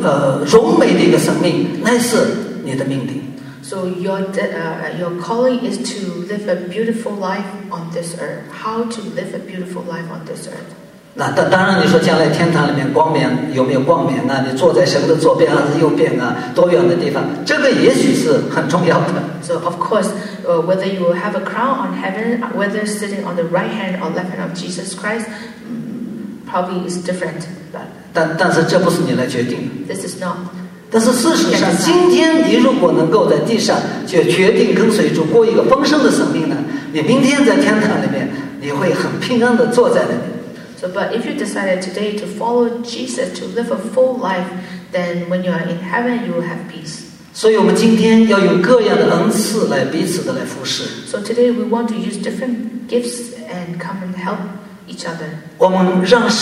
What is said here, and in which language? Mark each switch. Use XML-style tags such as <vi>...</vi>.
<zh>你活在地上活得好不好,有没有活出那个,那种,荣美的一个生命,那是你的命定。</zh> <en>So your calling is to live a beautiful life on this earth. How to live a beautiful life on this earth?</en> <zh>那当然你说将来天堂里面光明,有没有光明,那你坐在神的左边还是右边啊,多远的地方,这个也许是很重要的。</zh> <en>So of course, whether you have a crown on heaven, whether sitting on the right hand or left hand of Jesus Christ, probably is different. But this is not.</en> <zh>但是事实上,今天你如果能够在地上就决定跟随主过一个丰盛的生命呢,你明天在天堂里面,你会很平安地坐在那里。</zh> <en>So, but if you decided today to follow Jesus, to live a full life, then when you are in heaven, you will have peace.</en> <zh>所以我们今天要用各样的恩赐来彼此的来服侍。</zh> <en>So today we want to use different gifts and come and help each other.</en>